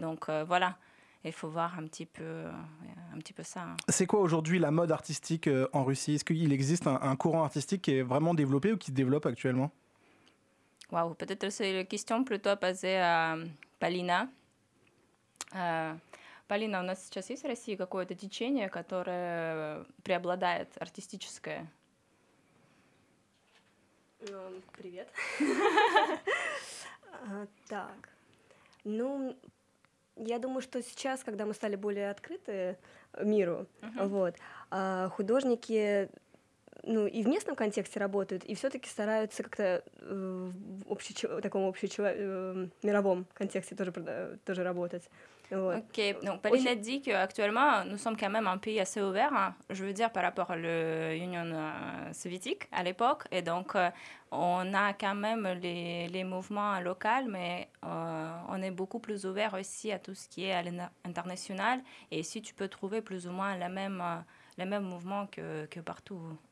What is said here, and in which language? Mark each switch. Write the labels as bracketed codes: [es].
[fr] Donc voilà, il faut voir un petit peu ça. Hein. C'est quoi aujourd'hui la mode artistique en Russie? Est-ce qu'il existe un courant artistique qui est vraiment développé ou qui se développe actuellement? Waouh, peut-être c'est une question plutôt posée à Полина. [ru] Полина, у нас сейчас есть в России какое-то течение, которое преобладает артистическое? Ну, привет. Так, ну, я думаю, что сейчас, когда мы стали более открыты миру, вот, художники, ну, и в местном контексте работают, и все-таки стараются как-то в таком мировом контексте тоже работать. [fr] Ok, donc Полина dit qu'actuellement nous sommes quand même un pays assez ouvert, hein, je veux dire par rapport à l'Union soviétique à l'époque, et donc on a quand même les mouvements locaux, mais on est beaucoup plus ouvert aussi à tout ce qui est à l'international, et ici tu peux trouver plus ou moins les mêmes mouvements que partout.